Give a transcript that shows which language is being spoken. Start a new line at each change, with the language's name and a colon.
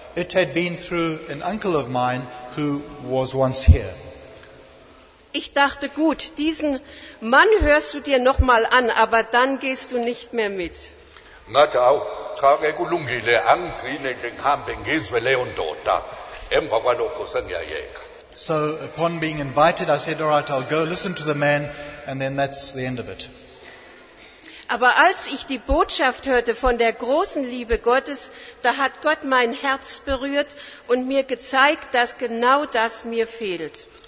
English: It had been through an uncle of mine who was once here.
German: Ich dachte, gut, diesen Mann hörst du dir noch mal an, aber dann gehst du nicht mehr mit.
Zulu: Ngathi awu, cha ke kulungile, angigcine nje ngihambe ngizwe leyo ndoda. Emva kwalokho sengiyayeka.
English: So upon being invited, I said, all right, I'll go listen to the man, and then that's the end of it.
German: Aber als ich die Botschaft hörte von der großen Liebe Gottes, da hat Gott mein Herz berührt und mir gezeigt, dass genau das mir fehlt.